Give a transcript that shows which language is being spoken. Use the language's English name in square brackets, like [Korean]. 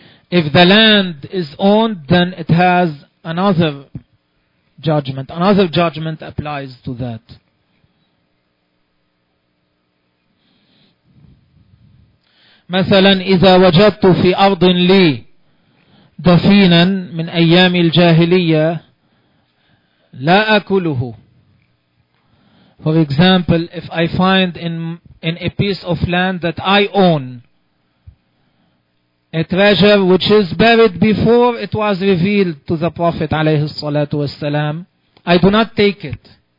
[English] If the land is owned, then it has another judgment. Another judgment applies to that. [Arabic] مثلا إذا وجدت في أرض لي دفينا من أيام الجاهلية لا أكله. [English] For example, if I find in a piece of land that I own a treasure which is buried before it was revealed to the Prophet [Arabic] عليه الصلاة والسلام, [English] I do not take it.